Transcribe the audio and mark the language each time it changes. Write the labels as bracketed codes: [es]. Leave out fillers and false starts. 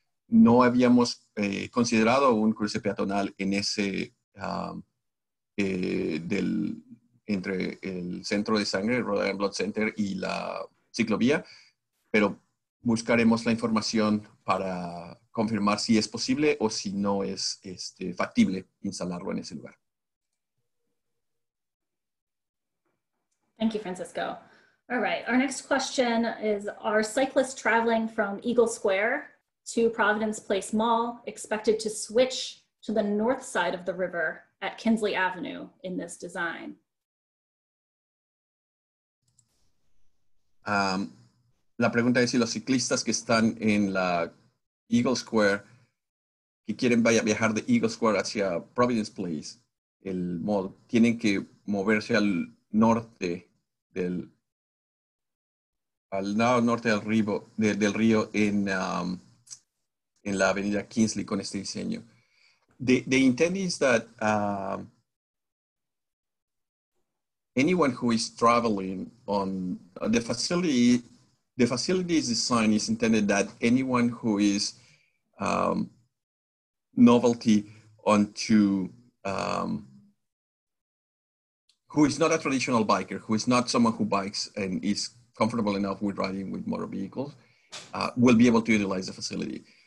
[es] No habíamos considerado un cruce peatonal en ese entre el centro de sangre, el Rhode Island Blood Center, y la ciclovía, pero buscaremos la información para confirmar si es posible o si no es factible instalarlo en ese lugar. [en] Thank you, Francisco. All right, our next question is, are cyclists traveling from Eagle Square to Providence Place Mall expected to switch to the north side of the river at Kinsley Avenue in this design? [es] La pregunta es si los ciclistas que están en la Eagle Square, que quieren viajar de Eagle Square hacia Providence Place, el mall, tienen que moverse al norte del río en la avenida Kingsley con este diseño. [en] The intent is that anyone who is traveling on the facility's design is intended that anyone who is who is not a traditional biker, who is not someone who bikes and is comfortable enough with riding with motor vehicles, will be able to utilize the facility.